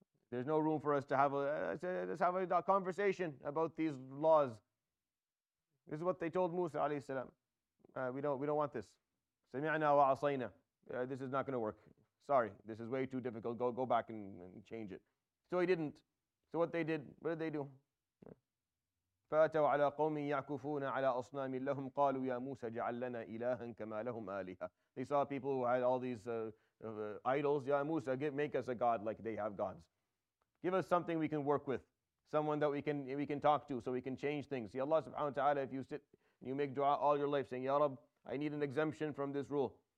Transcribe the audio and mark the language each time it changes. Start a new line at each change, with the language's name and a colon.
English: There's no room for us to have a conversation about these laws. This is what they told Musa alayhi salam. We don't want this. Sami'na wa asayna. This is not going to work. Sorry, this is way too difficult. Go back and change it. So he didn't. So what they did, what did they do?
Arabic: فَأَتَوْ عَلَىٰ قَوْمٍ يَعْكُفُونَ عَلَىٰ أَصْنَامٍ لَهُمْ قَالُوا يَا مُوسَى جَعَلْ لَنَا إِلَهًا كَمَا لَهُمْ آلِهًا
English: They saw people who had all these idols. Ya Musa, make us a god like they have gods. Give us something we can work with. Someone that we can talk to so we can change things. See, Allah subhanahu wa ta'ala, if you sit You make dua all your life saying, Ya Rab, I need an exemption from this rule.